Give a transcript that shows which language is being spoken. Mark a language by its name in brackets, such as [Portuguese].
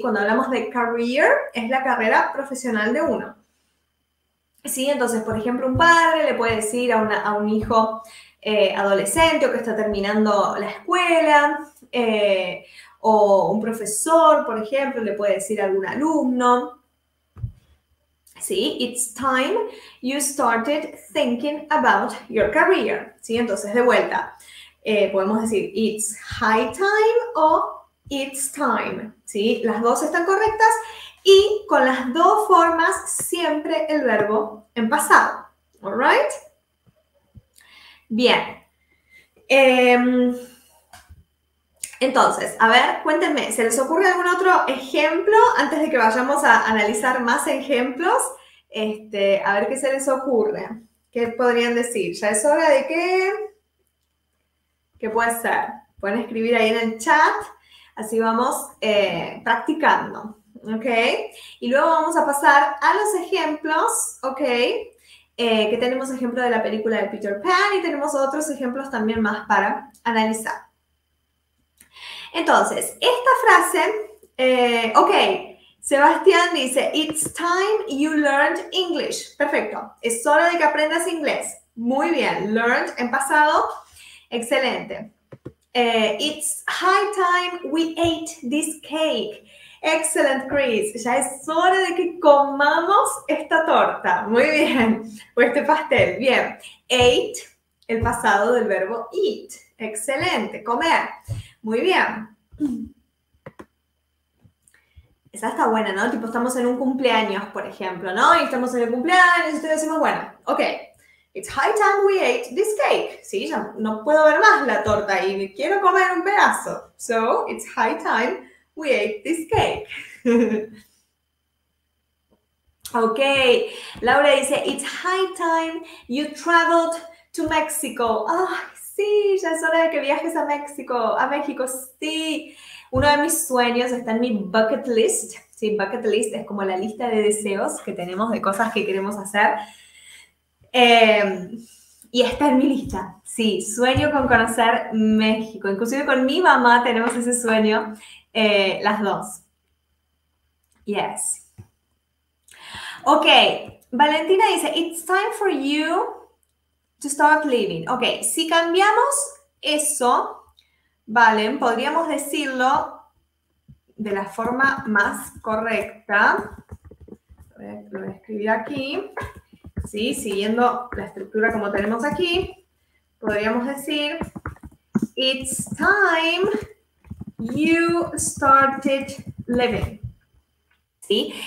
[Spanish] Cuando hablamos de career, es la carrera profesional de uno, ¿sí? Entonces, por ejemplo, un padre le puede decir a un hijo adolescente o que está terminando la escuela, o un profesor, por ejemplo, le puede decir a algún alumno, ¿sí? [English] It's time you started thinking about your career, [Spanish] ¿sí? Entonces, de vuelta, podemos decir [English] it's high time [Spanish] o [English] it's time, [Spanish] ¿sí? Las dos están correctas y con las dos formas siempre el verbo en pasado, [English] ¿all right? [Spanish] Bien. Entonces, a ver, cuéntenme, ¿se les ocurre algún otro ejemplo antes de que vayamos a analizar más ejemplos? A ver qué se les ocurre. ¿Qué podrían decir? ¿Ya es hora de qué? ¿Qué puede ser? Pueden escribir ahí en el chat, así vamos practicando, ¿ok? Y luego vamos a pasar a los ejemplos, ¿ok? Que tenemos ejemplo de la película de Peter Pan y tenemos otros ejemplos también más para analizar. Entonces, esta frase, ok, Sebastián dice, [English] it's time you learned English. [Spanish] Perfecto, es hora de que aprendas inglés. Muy bien, learned en pasado, excelente. [English] It's high time we ate this cake. Excellent, Chris. [Spanish] Ya es hora de que comamos esta torta. Muy bien, o este pastel. Bien, ate, el pasado del verbo eat. Excelente, comer. Muy bien. Esa está buena, ¿no? Tipo, estamos en un cumpleaños, por ejemplo, ¿no? Y estamos en el cumpleaños y ustedes decimos, bueno, ok, [English] it's high time we ate this cake. [Spanish] Sí, ya no puedo ver más la torta y quiero comer un pedazo. [English] So, it's high time we ate this cake. Ok, [Spanish] Laura dice, [English] it's high time you traveled to Mexico. [Spanish] Ah, sí, ya es hora de que viajes a México, sí. Uno de mis sueños está en mi bucket list. Sí, bucket list es como la lista de deseos que tenemos, de cosas que queremos hacer. Y está en mi lista. Sí, sueño con conocer México. Inclusive con mi mamá tenemos ese sueño, las dos. [English] Yes. Ok, [Spanish] Valentina dice, [English] it's time for you to start living. [Spanish] Ok, si cambiamos eso, Valen, podríamos decirlo de la forma más correcta. Lo voy a escribir aquí. Sí, siguiendo la estructura como tenemos aquí, podríamos decir, [English] it's time you started living. [Spanish] ¿Sí?